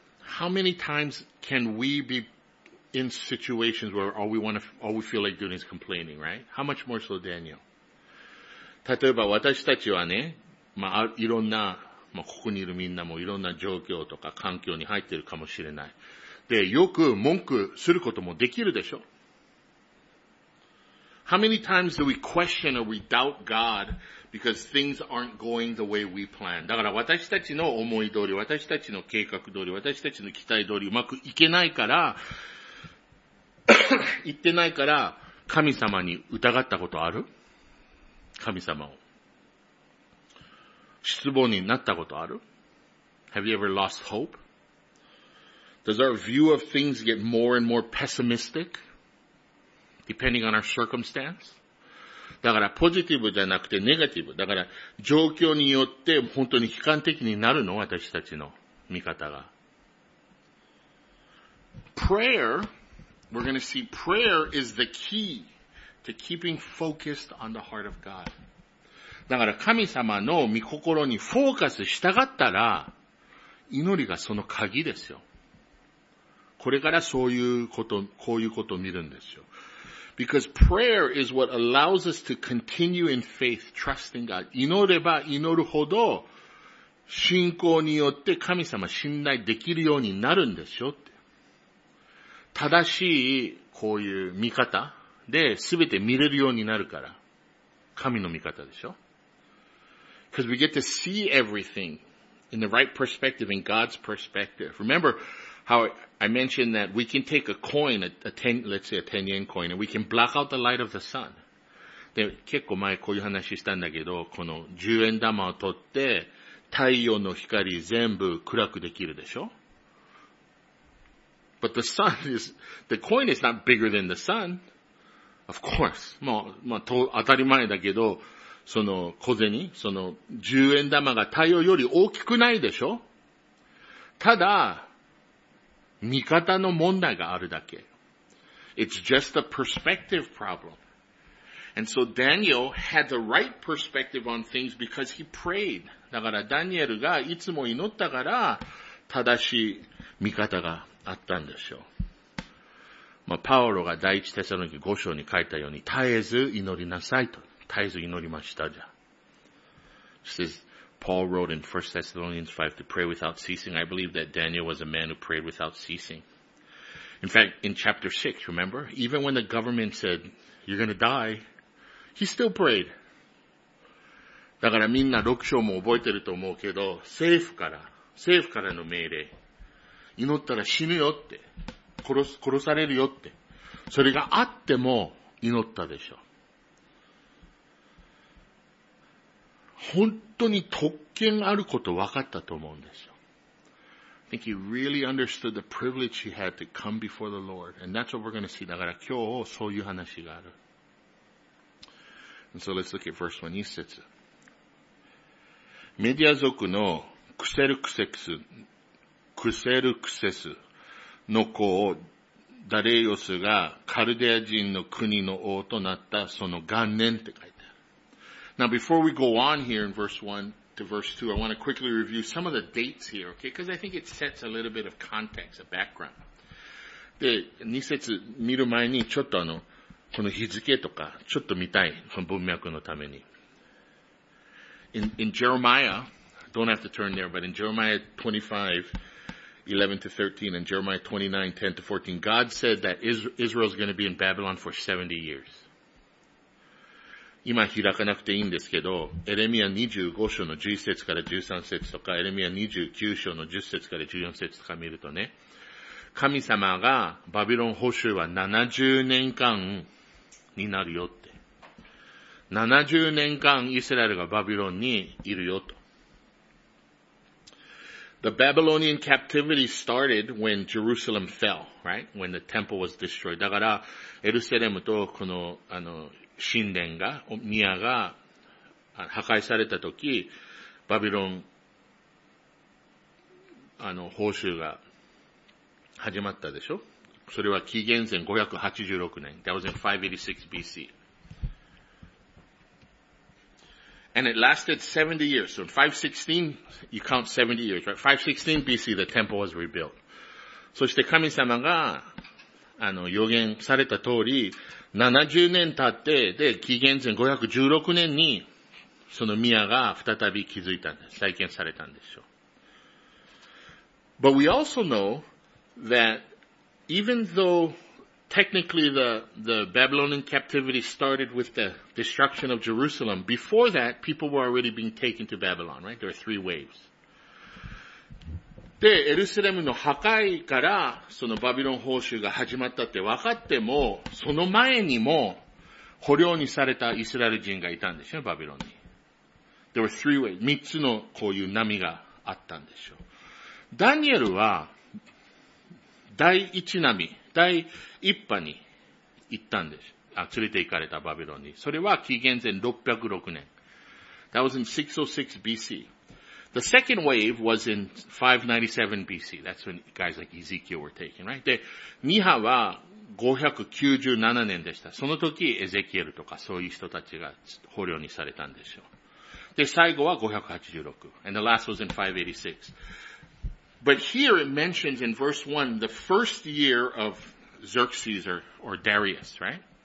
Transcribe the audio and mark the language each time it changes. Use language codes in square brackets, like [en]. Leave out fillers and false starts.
[en] How many times can we beIn situations where all we feel like doing is complaining, right? How much more so Daniel? [ja] 例えば私たちはね、まあいろんな、まあここにいるみんなもいろんな状況とか環境に入っているかもしれない。で、よく文句することもできるでしょ。 [en] How many times do we question or we doubt God because things aren't going the way we planned? [ja] だから私たちの思い通り、私たちの計画通り、私たちの期待通りうまくいけないから、言ってないから神様に疑ったことある？神様を。失望になったことある? [en] Have you ever lost hope? Does our view of things get more and more pessimistic? Depending on our circumstance? [ja] だからポジティブじゃなくてネガティブ。だから状況によって本当に悲観的になるの? 私たちの見方が。 [en] Prayer, we're going to see prayer is the key to keeping focused on the heart of God. [ja] だから神様の御心にフォーカスしたがったら祈りがその鍵ですよ。これからそういうこと、こういうことを見るんですよ。 [en] Because prayer is what allows us to continue in faith, trusting God. [ja] 祈れば祈るほど信仰によって神様信頼できるようになるんですよって。正しいこういう見方で全て見れるようになるから。神の見方でしょ。 [en] Because we get to see everything in the right perspective, in God's perspective. Remember how I mentioned that we can take a coin, let's say a 10 yen coin, and we can block out the light of the sun. [ja] で、結構前こういう話したんだけど、この10円玉を取って、太陽の光全部暗くできるでしょ? [en] But the coin is not bigger than the sun. Of course. [ja] まあ、当たり前だけど、その小銭、その10円玉が太陽より大きくないでしょ? ただ、見方の問題があるだけ。 [en] It's just a perspective problem. And so Daniel had the right perspective on things because he prayed. [ja] だからダニエルがいつも祈ったから、正しい見方があったんでしょう。まあ、パオロが第一テサロニケ5章に書いたように、絶えず祈りなさいと。絶えず祈りましたじゃ。 [en] She says, Paul wrote in 1 Thessalonians 5 to pray without ceasing. I believe that Daniel was a man who prayed without ceasing. In fact, in chapter 6, remember? Even when the government said, you're going to die, he still prayed. [ja] だからみんな6章も覚えてると思うけど、政府からの命令。祈ったら死ぬよって。殺されるよって。それがあっても祈ったでしょ。本当に特権あること分かったと思うんですよ。 [en] I think he really understood the privilege he had to come before the Lord. And that's what we're going to see. [ja] だから今日そういう話がある。 [en] And so let's look at verse 1. He says, [ja] メディア族のクセルクセスの子をダレイオスがカルデア人の国の王となったその元年って書いてある。 [en] Now before we go on here in verse 1 to verse 2, I want to quickly review some of the dates here, okay? Because I think it sets a little bit of context, a background. [ja] で、2節見る前にちょっとこの日付とかちょっと見たい、この文脈のために。 [en] In Jeremiah, don't have to turn there, but in Jeremiah 25:11-13 and Jeremiah 29:10-14, God said that Israel is going to be in Babylon for 70 years. [ja] 今開かなくていいんですけど、エレミア25章の11節から13節とか、エレミア29章の10節から14節とか見るとね、神様がバビロン捕囚は70年間になるよって。 70年間イスラエルがバビロンにいるよと。 [en] The Babylonian captivity started when Jerusalem fell, right? When the temple was destroyed. [ja] だから、エルセレムとこの、神殿が、宮が破壊されたとき、バビロン、報酬が始まったでしょ? それは紀元前586年。 [en] That was in 586 BC. And it lasted 70 years. So in 516, you count 70 years, right? 516 BC, the temple was rebuilt. [ja] そして神様が、予言された通り、70年経って、で、紀元前516年に、その宮が再び築いたんです。再建されたんでしょう。 [en] But we also know that even though technically the Babylonian captivity started with the destruction of Jerusalem, before that, people were already being taken to Babylon, right? There were three waves. [ja] で、エルサレムの破壊から、そのバビロン報酬が始まったって分かっても、その前にも、捕虜にされたイスラエル人がいたんですよ、バビロンに。 [en] There were three ways. [ja] 三つのこういう波があったんでしょう。ダニエルは、第一波、第一波に行ったんです。あ、連れて行かれたバビロンに。それは紀元前606年。 [en] That was in 606 BC. The second wave was in 597 BC. That's when guys like Ezekiel were taken, right? [ja] で、二波は597年でした。その時、エゼキエルとかそういう人たちが捕虜にされたんですよ。で、最後は586。 [en] And the last was in 586. But here it mentions in verse 1, the first year of Xerxes or Darius, right?